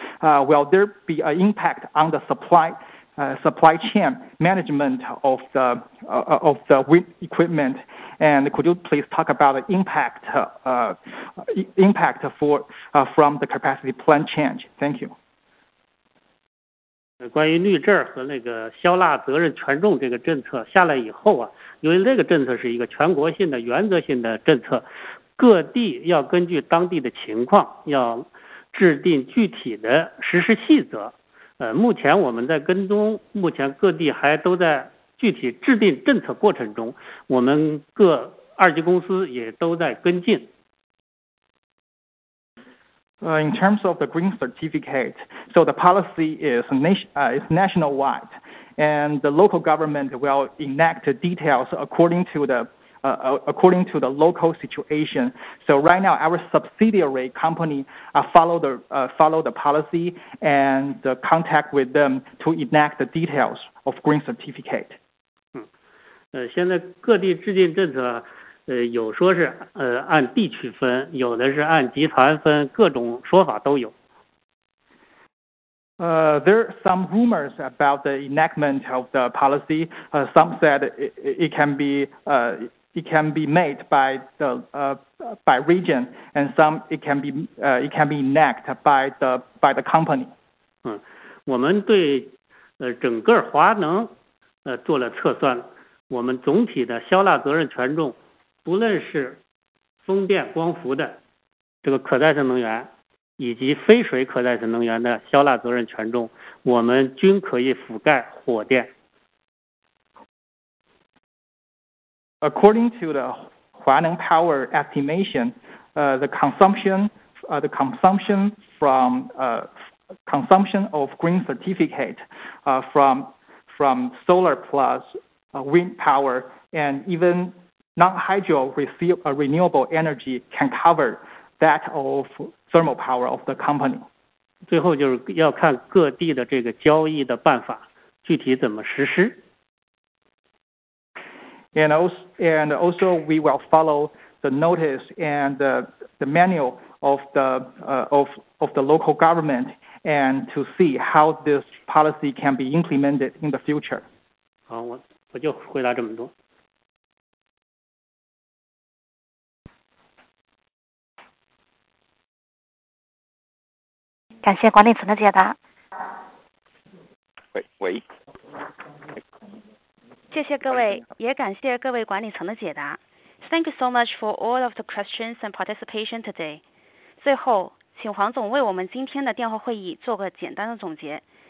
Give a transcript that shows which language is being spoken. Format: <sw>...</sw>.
<en>Will there be an impact on the supply chain management of the wind equipment? And could you please talk about the impact from the capacity plan change? Thank you.</en> <zh>关于绿证和那个销纳责任权重这个政策下来以后啊，因为这个政策是一个全国性的原则性的政策，各地要根据当地的情况要制定具体的实施细则。目前我们在跟踪，目前各地还都在具体制定政策过程中，我们各二级公司也都在跟进。</zh> <en>In terms of the green certificate, so the policy is nationwide, and the local government will enact details according to the local situation. So right now, our subsidiary company follow the policy and contact with them to enact the details of green certificate.</en> <zh>现在各地制定政策。有说是按地区分，有的是按集团分，各种说法都有。</zh> <en>There are some rumors about the enactment of the policy. Some said it can be made by the by region, and some it can be enacted by the company.</en> <zh>我们对整个华能做了测算，我们总体的销纳责任权重。不论是风电、光伏的这个可再生能源，以及非水可再生能源的销纳责任权重，我们均可以覆盖火电。</zh> <en>According to the 华能 power estimation, the consumption of green certificate, from solar plus wind power and even non-hydro renewable energy can cover that of thermal power of the company.</en> <zh>最后就是要看各地的这个交易的办法具体怎么实施。</zh> <en>And also we will follow the notice and the manual of the local government and to see how this policy can be implemented in the future.</en> <zh>好，我就回答这么多。感谢管理层的解答。喂。谢谢各位，也感谢各位管理层的解答。</zh> <en>Thank you so much for all of the questions and participation today.</en> <zh>最后，请黄总为我们今天的电话会议做个简单的总结。</zh>